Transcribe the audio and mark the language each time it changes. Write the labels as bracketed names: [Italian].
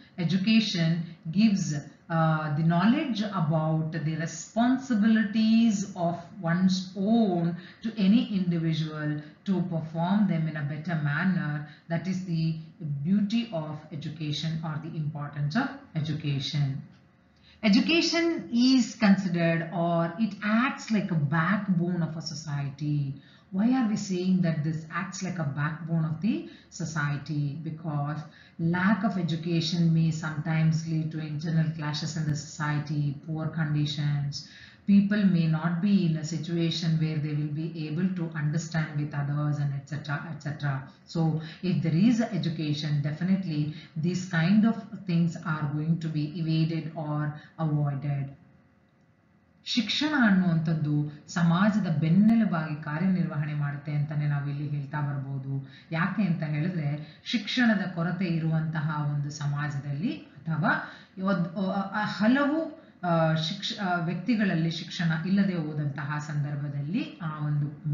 [English] Education gives the knowledge about the responsibilities of one's own to any individual to perform them in a better manner. That is the beauty of education or the importance of education. Education is considered, or it acts like a backbone of a society. Why are we saying that this acts like a backbone of the society? Because lack of education may sometimes lead to internal clashes in the society, poor conditions. People may not be in a situation where they will be able to understand with others and etc. etc. So if there is education, definitely these kind of things are going to be evaded or avoided. [Kannada] ಶಿಕ್ಷಣ ಅನ್ನುವಂಥದ್ದು ಸಮಾಜದ ಬೆನ್ನೆಲುಬಾಗಿ ಕಾರ್ಯನಿರ್ವಹಣೆ ಮಾಡುತ್ತೆ ಅಂತಲೇ ನಾವಿಲ್ಲಿ ಹೇಳ್ತಾ ಬರ್ಬೋದು. ಯಾಕೆ ಅಂತ ಹೇಳಿದ್ರೆ ಶಿಕ್ಷಣದ ಕೊರತೆ ಇರುವಂತಹ ಒಂದು ಸಮಾಜದಲ್ಲಿ ಅಥವಾ ಹಲವು ವ್ಯಕ್ತಿಗಳಲ್ಲಿ ಶಿಕ್ಷಣ ಇಲ್ಲದೆ ಹೋದಂತಹ ಸಂದರ್ಭದಲ್ಲಿ ಆ ಒಂದು